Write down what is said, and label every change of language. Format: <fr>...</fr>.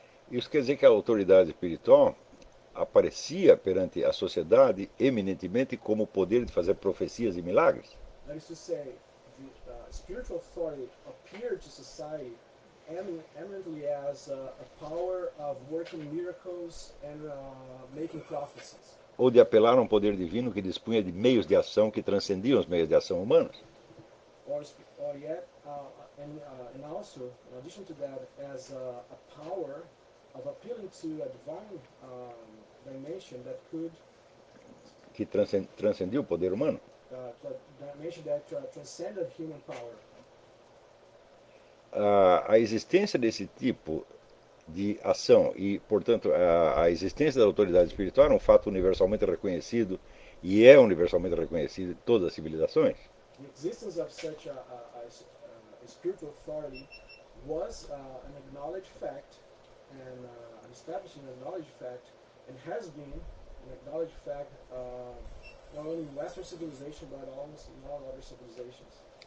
<pt>Isso quer dizer que a autoridade espiritual aparecia perante a sociedade eminentemente como o poder de fazer profecias e milagres.</pt> <en>That is to say, the spiritual authority appeared to society eminently as a power of working miracles and making prophecies.</en> <pt>Ou de apelar a um poder divino que dispunha de meios de ação que transcendiam os meios de ação humanos.</pt> <en>And also, in addition to that, as a power of appealing to a divine dimension that could</en> <pt>que transcendia o poder humano.</pt> <en>That transcended human power.</en> <pt>A existência desse tipo de ação e, portanto, a existência da autoridade espiritual era um fato universalmente reconhecido e é universalmente reconhecido em todas as civilizações.</pt> <en>The existence of such a spiritual authority was an acknowledged fact and an establishing acknowledged fact and has been an acknowledged fact not only in Western civilization but almost in all other civilizations.</en>